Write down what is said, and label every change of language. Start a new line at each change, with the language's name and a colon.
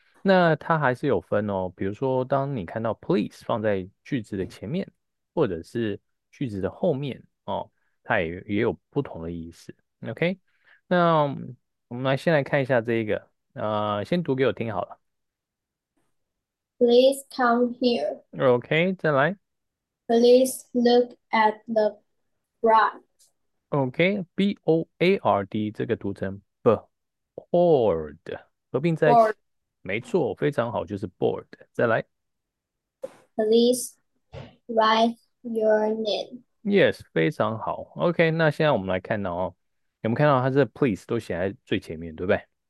Chinese: 那它还是有分哦，比如说当你看到 please 放在句子的前面，或者是句子的后面哦，它也有不同的意思。 OK，那我们来先来看一下这一个，先读给我听好了。
English: Please come here.
Chinese: OK，再来。
English: Please look at the board.
Chinese: OK，board 这个读成 board，合并在一起，
English: Board.
Chinese: 没错，非常好，就是 board。再来。
English: Please write your name.
Chinese: Yes，非常好。 OK，那现在我们来看到哦，有没有看到它这 please 都写在最前面，对不对？